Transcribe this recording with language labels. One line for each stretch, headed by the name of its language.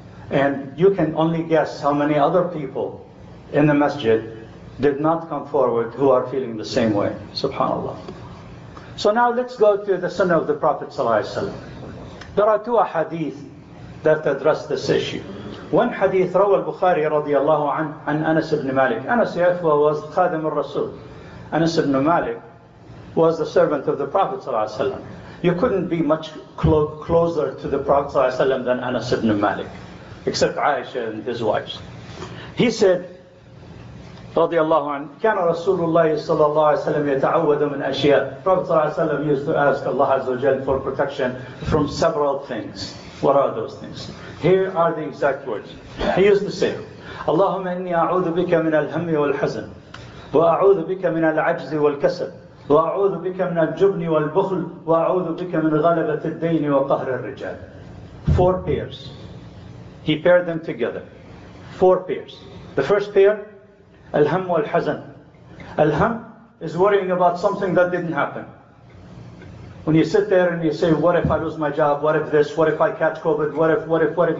English: And you can only guess how many other people in the masjid did not come forward who are feeling the same way. Subhanallah. So now let's go to the sunnah of the Prophet ﷺ. There are two ahadith that address this issue. One hadith,
Arabic: رواه البخاري رضي الله عنه عن أنس بن مالك. أنس يفوى
English: was
Arabic: خادم الرسول.
English: أنس بن مالك was the servant of the Prophet ﷺ. You couldn't be much closer to the Prophet ﷺ than Anas ibn Malik, except Aisha and his wives. He said,
Arabic: رضي الله عنه, كان رسول الله صلى الله عليه وسلم يتعوذ من أشياء.
English: Prophet صلى الله عليه وسلم used to ask Allah عز وجل for protection from several things. What are those things? Here are the exact words. He used to say,
Arabic: اللهم إني أعوذ بك من الهم والحزن وأعوذ بك من العجز والكسل وأعوذ بك من الجبن والبخل وأعوذ بك من غلبة الدين وقهر الرجال.
English: Four pairs. He paired them together. Four pairs. The first pair, Alham wal hazan. Alham is worrying about something that didn't happen. When you sit there and you say, what if I lose my job? What if this? What if I catch COVID? What if?